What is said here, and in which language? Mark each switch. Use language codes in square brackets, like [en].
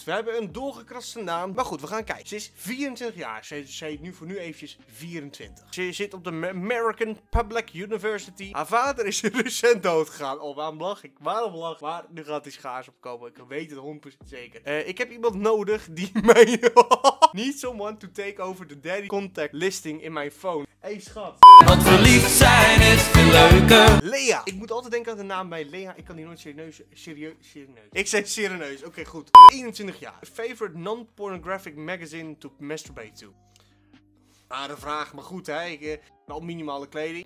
[nl] We hebben een doorgekraste naam. Maar goed, we gaan kijken. Ze is 24 jaar. Ze heet nu voor nu eventjes 24. Ze zit op de American Public University. Haar vader is recent doodgegaan. Oh, waarom lach ik? Maar nu gaat die schaars opkomen. Ik weet het 100% zeker. Ik heb iemand nodig die mij... [en] Need someone to take over the daddy contact listing in mijn phone. [nl] Hey, schat. Want verliefd zijn is veel leuker. Lea. Ik moet altijd denken aan de naam bij Lea. Ik kan die nooit serieus... Ik zei serieus. Oké, goed. 21 jaar. [en] Favorite non-pornographic magazine to masturbate to? [nl] Rare vraag, maar goed, hè. Wel minimale kleding.